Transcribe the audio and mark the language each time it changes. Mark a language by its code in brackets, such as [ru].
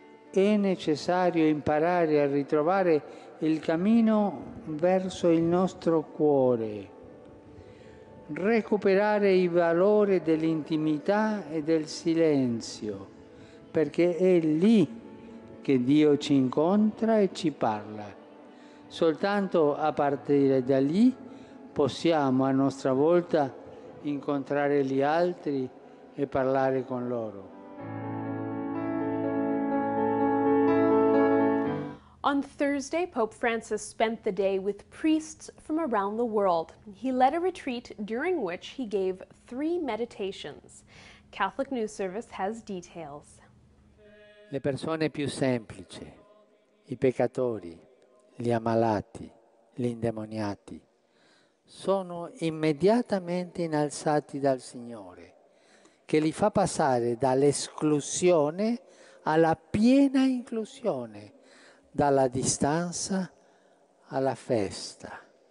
[it] È necessario imparare a ritrovare il cammino verso il nostro cuore, recuperare i valori dell'intimità e del silenzio, perché è lì che Dio ci incontra e ci parla. Soltanto a partire da lì possiamo a nostra volta incontrare gli altri e parlare con loro. [en] On Thursday, Pope Francis spent the day with priests from around the world. He led a retreat during which he gave three meditations. Catholic News Service has details. [it] Le persone più semplici, i peccatori, gli ammalati, gli indemoniati, sono immediatamente innalzati dal Signore, che li fa passare dall'esclusione alla piena inclusione, dalla distanza alla festa.